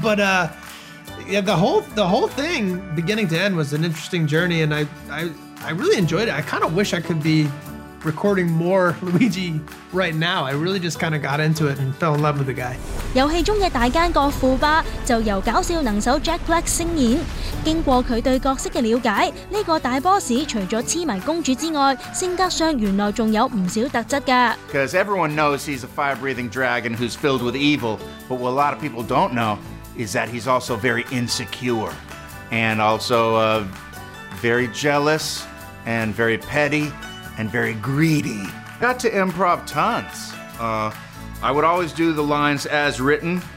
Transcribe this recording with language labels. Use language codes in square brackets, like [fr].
[en] But yeah, the whole thing, beginning to end, was an interesting journey, and I really enjoyed it. I kind of wish I could be recording more Luigi right now. I really just kind of got into it and fell in love with the guy. [zh] 游戏中的大奸角库巴就由搞笑能手 Jack Black 饰演。经过他对角色的了解，这个大 boss 除了痴迷公主之外，性格上原来还有不少特质的。 [en] Because everyone knows he's a fire-breathing dragon who's filled with evil, but what a lot of people don't know is that he's also very insecure and also very jealous and very petty and very greedy. Got to improv tons. I would always do the lines as written.